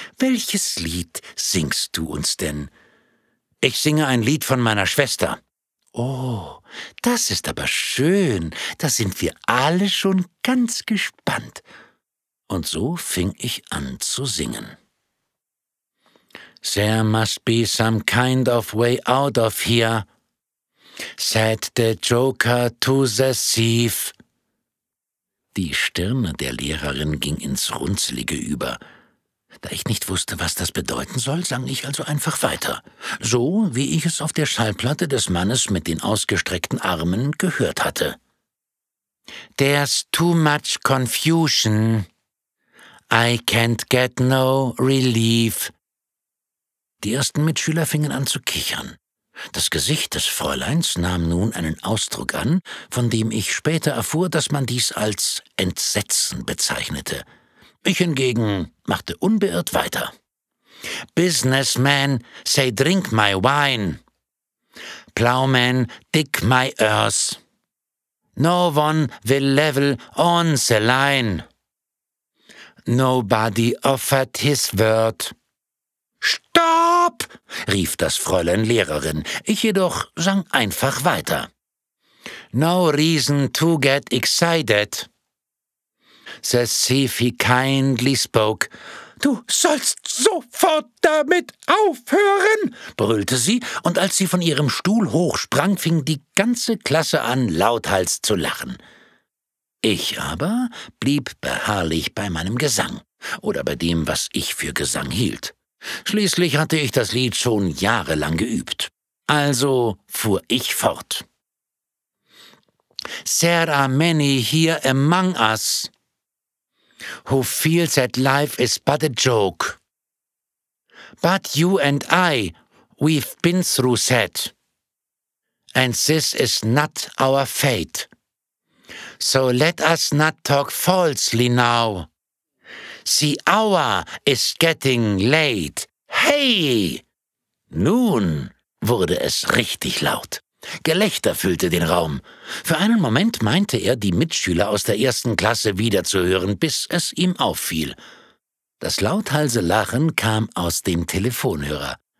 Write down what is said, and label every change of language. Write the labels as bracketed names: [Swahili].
[German] »Welches Lied singst du uns denn?« »Ich singe ein Lied von meiner Schwester.« »Oh, das ist aber schön. Da sind wir alle schon ganz gespannt.« Und so fing ich an zu singen. [English] »There must be some kind of way out of here«, said the Joker to the thief. [German] Die Stirne der Lehrerin ging ins Runzelige über. Da ich nicht wusste, was das bedeuten soll, sang ich also einfach weiter, so wie ich es auf der Schallplatte des Mannes mit den ausgestreckten Armen gehört hatte. [English] »There's too much confusion. I can't get no relief.« [German] Die ersten Mitschüler fingen an zu kichern. Das Gesicht des Fräuleins nahm nun einen Ausdruck an, von dem ich später erfuhr, dass man dies als Entsetzen bezeichnete. Ich hingegen machte unbeirrt weiter. [English] »Businessman, say drink my wine. Plowman, dig my earth. No one will level on the line. Nobody offered his word.« [German] »Stopp!« rief das Fräulein Lehrerin. Ich jedoch sang einfach weiter. [English] »No reason to get excited. The thief he kindly spoke, [German] Du sollst sofort damit aufhören!« brüllte sie, und als sie von ihrem Stuhl hochsprang, fing die ganze Klasse an, lauthals zu lachen. Ich aber blieb beharrlich bei meinem Gesang oder bei dem, was ich für Gesang hielt. Schließlich hatte ich das Lied schon jahrelang geübt. Also fuhr ich fort. [English] »There are many here among us who feel that life is but a joke. But you and I, we've been through that. And this is not our fate. So let us not talk falsely now. The hour is getting late. [German] Hey!« Nun wurde es richtig laut. Gelächter füllte den Raum. Für einen Moment meinte er, die Mitschüler aus der ersten Klasse wiederzuhören, bis es ihm auffiel. Das lauthalse Lachen kam aus dem Telefonhörer.